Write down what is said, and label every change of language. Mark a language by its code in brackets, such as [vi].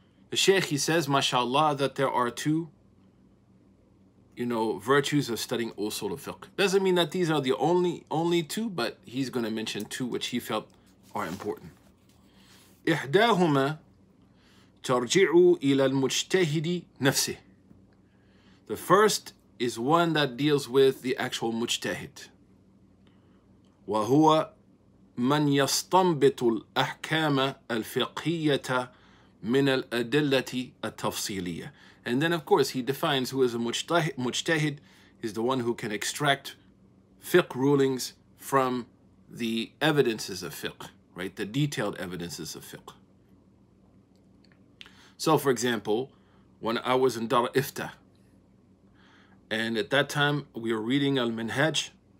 [en] The Shaykh, he says, mashallah, that there are two, you know, virtues of studying usul al-fiqh. Doesn't mean that these are the only two, but he's going to mention two which he felt are important. [ar] إحداهما ترجع إلى المجتهد نفسه. [en] The first is one that deals with the actual mujtahid. [ar] وهو من يستنبط الأحكام الفقهية من الأدلة التفصيلية. [en] And then, of course, he defines who is a mujtahid, is the one who can extract fiqh rulings from the evidences of fiqh, right? The detailed evidences of fiqh. So, for example, when I was in Dar Ifta, and at that time we were reading Al-Minhaj,